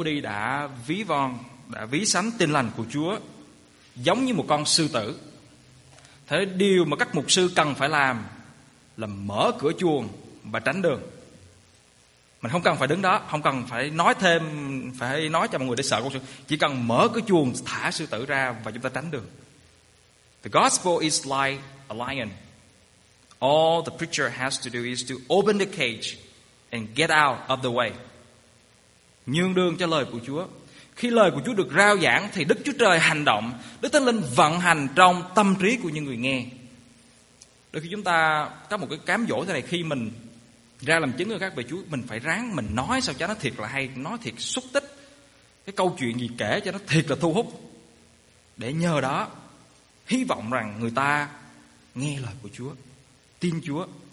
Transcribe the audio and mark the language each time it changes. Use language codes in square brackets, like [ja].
[vi] Moody đã ví sánh tin lành của Chúa giống như một con sư tử. Thế điều mà các mục sư cần phải làm là mở cửa chuồng và tránh đường. Mình không cần phải đứng đó, không cần phải nói thêm, phải nói cho mọi người để sợ con sư. Chỉ cần mở cửa chuồng, thả sư tử ra và chúng ta tránh đường. [en] The gospel is like a lion. All the preacher has to do is to open the cage and get out of the way. [vi] Nhường đường cho lời của Chúa. Khi lời của Chúa được rao giảng thì Đức Chúa Trời hành động, Đức Thánh Linh vận hành trong tâm trí của những người nghe. Đôi khi chúng ta có một cái cám dỗ thế này, khi mình ra làm chứng người khác về Chúa, mình phải ráng mình nói sao cho nó thiệt là hay, nói thiệt xúc tích, cái câu chuyện gì kể cho nó thiệt là thu hút, để nhờ đó hy vọng rằng người ta nghe lời của Chúa, tin Chúa.